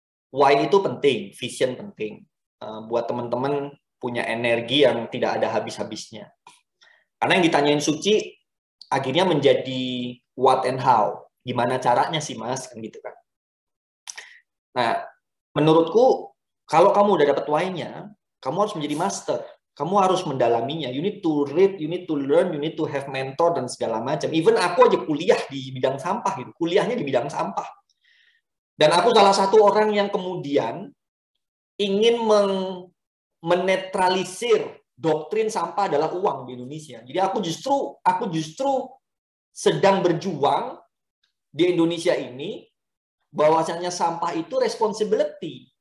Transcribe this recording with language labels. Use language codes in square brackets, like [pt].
[id] Why itu penting, vision penting. Buat teman-teman punya energi yang tidak ada habis-habisnya. Karena yang ditanyain Suci akhirnya menjadi what and how, gimana caranya sih Mas, kan gitu kan. Nah, menurutku kalau kamu udah dapat why-nya, kamu harus menjadi master, kamu harus mendalaminya. [en] You need to read, you need to learn, you need to have mentor [id] dan segala macam. Even aku aja kuliah di bidang sampah gitu, kuliahnya di bidang sampah. Dan aku salah satu orang yang kemudian ingin menetralisir doktrin sampah adalah uang di Indonesia. Jadi aku justru sedang berjuang di Indonesia ini bahwasannya sampah itu responsibility.